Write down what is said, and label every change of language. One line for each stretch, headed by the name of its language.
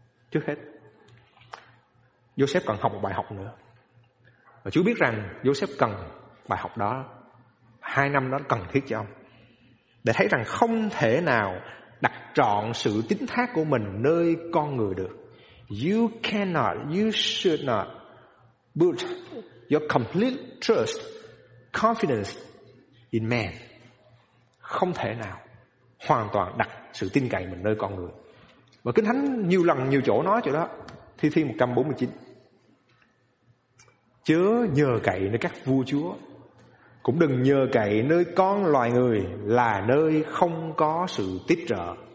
Vietnamese: Trước hết, Joseph cần học một bài học nữa. Và Chúa biết rằng Joseph cần bài học đó, 2 năm đó cần thiết cho ông, để thấy rằng không thể nào đặt trọn sự tín thác của mình nơi con người được.
English: You cannot, you should not put your complete trust, confidence in man.
Vietnamese: Không thể nào hoàn toàn đặt sự tin cậy mình nơi con người. Và Kinh Thánh nhiều lần nhiều chỗ nói chỗ đó. Thi Thiên 149: chớ nhờ cậy nơi các vua chúa, cũng đừng nhờ cậy nơi con loài người, là nơi không có sự tiếp trợ.